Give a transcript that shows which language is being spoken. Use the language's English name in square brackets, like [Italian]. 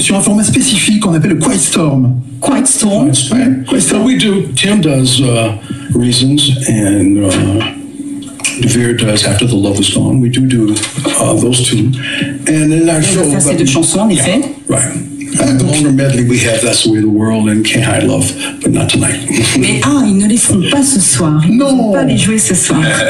[French] Sur un format spécifique qu'on appelle le Quiet Storm. [English] Quiet Storm. Quiet Storm. Ouais. Quiet Storm. We do. Tim does. Reasons and Devere does After the Love Is Gone. We do those two. And then our show. [French] Ça, c'est deux chansons, en effet. [English] Right. The longer medley we have, that's the way the world and Can't Hide Love, but not tonight. [French] Mais ils ne les feront pas ce soir. Non. Ils ne vont pas les jouer ce soir.